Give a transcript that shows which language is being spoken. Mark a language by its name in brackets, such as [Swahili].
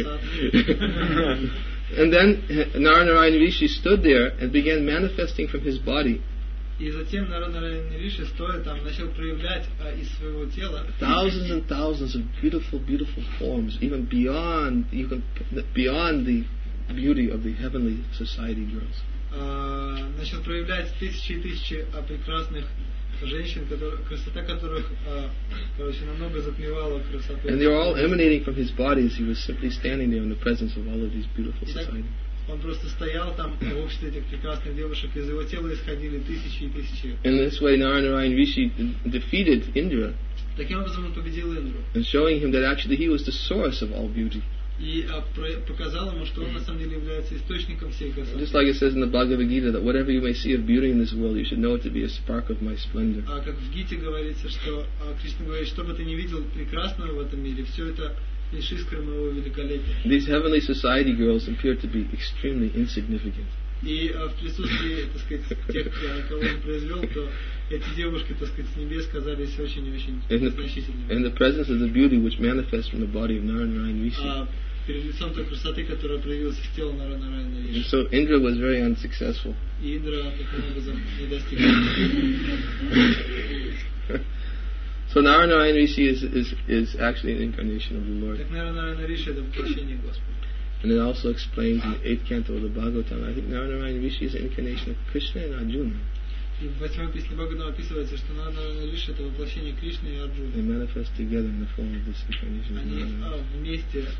[English] And then Narayan Rishi stood there and began manifesting from his body thousands and thousands of beautiful, beautiful forms, even beyond the beauty of the heavenly society girls. [Russian] Начал проявлять тысячи и тысячи прекрасных женщин, красота которых, короче, намного затмевала красоту. [English] And they were all emanating from his body as he was simply standing there in the presence of all of these beautiful society. [Russian] Он просто стоял там в обществе этих прекрасных девушек, из его тела исходили тысячи и тысячи. [English] In this way, Narayan Rishi defeated Indra. [Russian] Таким образом он победил Индру. [English] And showing him that actually he was the source of all beauty. [Russian] И показал ему, что он на самом деле является источником всей красоты. [English] Just like it says in the Bhagavad Gita that whatever you may see of beauty in this world, you should know it to be a spark of my splendor. [Russian] А как в Гите говорится, что Кришна говорит, что бы ты ни видел прекрасного в этом мире, все это лишь искра моего великолепия. [English] These heavenly society girls appear to be extremely insignificant. [Russian] И в присутствии, так сказать, тех, кого он произвел, то эти девушки, так сказать, с небес казались очень-очень значительными. [English] In the presence of the beauty which manifests from the body of Narayan Rishi. [Russian] Перед лицом той красоты, которая проявилась в теле Нарайана Риши. [English] So Indra was very unsuccessful. [Russian] И Индра таким образом не достигла. [English] So Narayan Rishi is actually an incarnation of the Lord. [Russian] Так Нарайана Риши — это воплощение Господа. [English] And it also explains in the 8th canto of the Bhagavatam, I think Narayan Rishi is an incarnation of Krishna and Arjuna. They manifest together in the form of this incarnation of